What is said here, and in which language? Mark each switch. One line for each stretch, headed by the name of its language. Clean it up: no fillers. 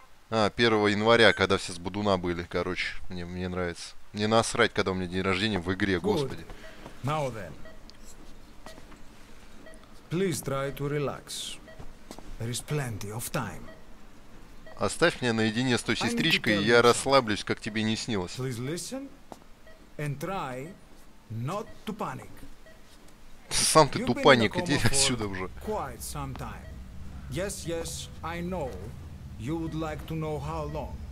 Russian: А, 1 января, когда все с бодуна были, короче, мне нравится. Мне насрать, когда у меня день рождения в игре, господи.
English: Now then. Please try to relax. There is plenty of time.
Russian: Оставь меня наедине с той сестричкой, и я расслаблюсь, как тебе не снилось.
English: Please listen and try not to panic.
Russian: Сам ты тупаник, иди отсюда уже.
English: Quite some time. Yes, yes, I know. You would like to know how long?